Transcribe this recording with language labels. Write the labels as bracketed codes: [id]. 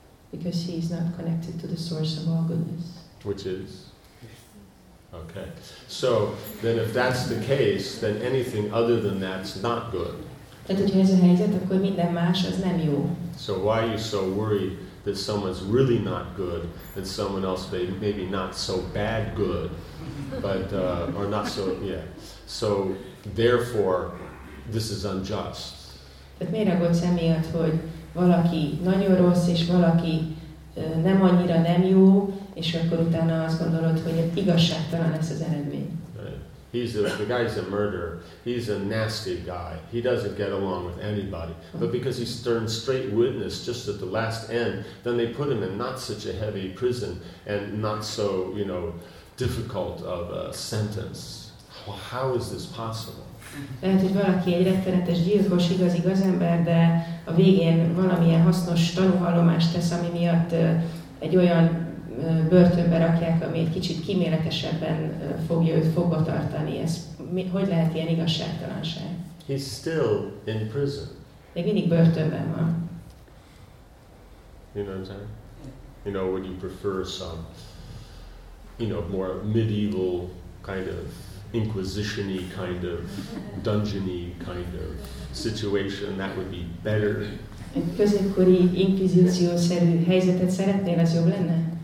[en] Because he is not connected to the source of all goodness. Which is? Okay. So, then if that's the case, then anything other than that's not good. [hu] Tehát, hogyha ez a helyzet, akkor minden más, az nem jó. [en] So why are you so worried that someone's really not good, and someone else maybe not so bad good, but or not so, yeah. So therefore, this is unjust. [hu] Tehát miért aggódsz emiatt, hogy valaki nagyon rossz, és valaki nem annyira nem jó, és akkor utána azt gondolod, hogy igazságtalan lesz az eredmény. [en] He's the guy's a murderer. He's a nasty guy. He doesn't get along with anybody. But because he's turned straight witness just at the last end, then they put him in not such a heavy prison and not so, you know, difficult of a sentence. Well, how is this possible? [hu] Lehet, hogy valaki egy rettenetes gyilkos, igazi gazember, de a végén valamilyen hasznos tanúhallomást tesz, ami miatt egy olyan börtönbe rakják, ami egy kicsit kíméletesebben fogja őt fogva tartani. Ez hogy lehet ilyen igazságtalanság? [en] He's still in prison. [hu] Még mindig börtönben van. [en] You know what I'm saying? You know, would you prefer some, you know, more medieval kind of inquisition-y kind of dungeon-y kind of situation? That would be better. [hu] Egy középkori inkvizíció-szerű helyzetet szeretnél, az jobb lenne?